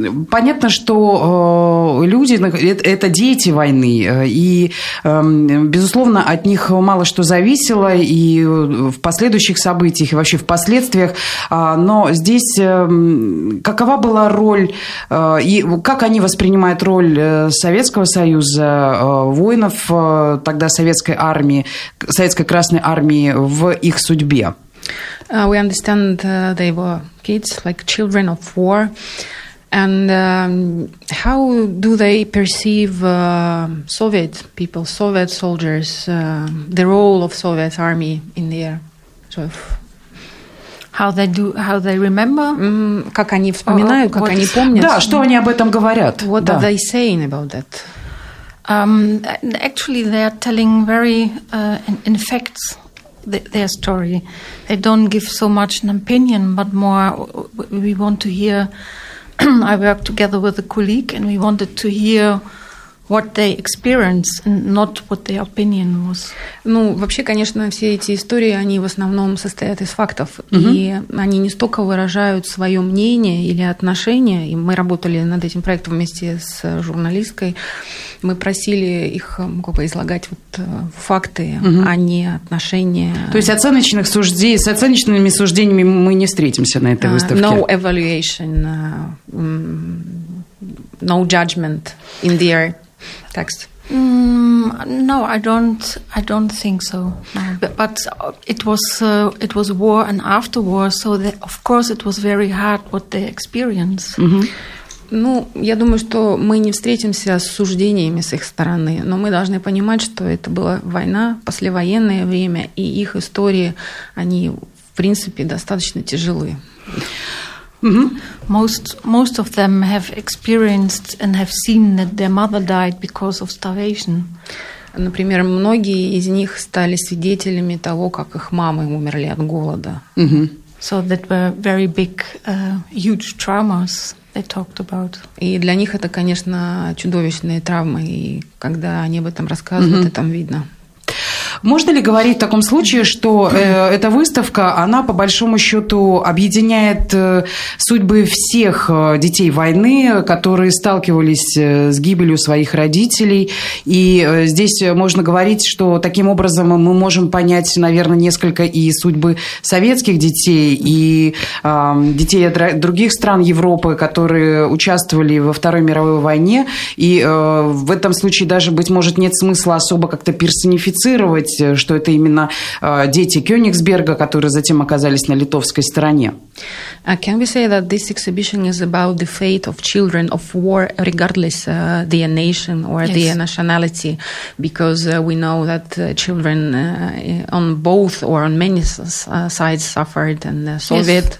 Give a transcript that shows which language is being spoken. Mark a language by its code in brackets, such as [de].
[ru] Понятно, что люди – это дети войны, и, безусловно, от них мало что зависело и в последующих событиях, и вообще в последствиях. Но здесь какова была роль, и как они воспринимают роль Советского Союза, воинов тогда Советской Армии, Советской Красной Армии в их судьбе? [en] We understand they were kids, like children of war. And how do they perceive Soviet people, Soviet soldiers, the role of Soviet army in their sort of... How they remember? [ru] Как они вспоминают, как они помнят. Да, что они об этом говорят. [en] What [ru] да. [en] are they saying about that? Actually, they are telling very in facts. Their story. They don't give so much an opinion, but more we want to hear. I worked together with a colleague and we wanted to hear what they experienced and not what their opinion was. [ru] Ну, вообще, конечно, все эти истории, они в основном состоят из фактов. Mm-hmm. И они не столько выражают свое мнение или отношение. И мы работали над этим проектом вместе с журналисткой. Мы просили их как бы излагать вот факты, а не отношения. То есть оценочных суждений, с оценочными суждениями мы не встретимся на этой выставке. [en] No evaluation, no judgment in their text. No, I don't think so. No. But it was war and after war, so that, of course it was very hard what they experienced. Mm-hmm. [ru] Ну, я думаю, что мы не встретимся с суждениями с их стороны, но мы должны понимать, что это была война, послевоенное время, и их истории, они, в принципе, достаточно тяжелы. Mm-hmm. [en] Most of them have experienced and have seen that their mother died because of starvation. [ru] Например, многие из них стали свидетелями того, как их мамы умерли от голода. Mm-hmm. [en] So that were very big, huge traumas. Talked about. [ru] И для них это, конечно, чудовищные травмы, и когда они об этом рассказывают, mm-hmm. это там видно. Можно ли говорить в таком случае, что эта выставка, она по большому счету объединяет судьбы всех детей войны, которые сталкивались с гибелью своих родителей, и здесь можно говорить, что таким образом мы можем понять, наверное, несколько и судьбы советских детей, и детей других стран Европы, которые участвовали во Второй мировой войне, и в этом случае даже, быть может, нет смысла особо как-то персонифицировать, что это именно дети Кёнигсберга, которые затем оказались на литовской стороне. [en] Can we say that this exhibition is about the fate of children of war, regardless their nation or yes. their nationality, because we know that children on both or on many sides suffered, and the Soviet